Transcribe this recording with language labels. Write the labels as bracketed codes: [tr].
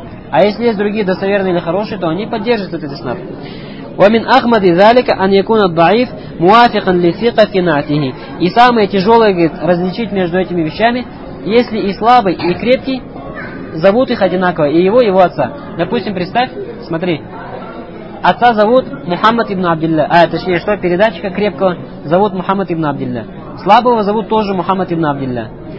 [ru] А если есть другие достоверные или хорошие, то они поддержат этот иснад. [ar] ومن أغمض ذلك أن يكون الضعيف موافقا للثقة في نعته. [ru] И самое тяжелое, говорит, различить между этими вещами, если и слабый, и крепкий зовут их одинаково, и его, и его отца. Допустим, представь, смотри, отца зовут Мухаммад ибн Абдилля, а точнее, что передатчика крепкого зовут Мухаммад ибн Абдилля, слабого зовут тоже Мухаммад ибн Абдилля.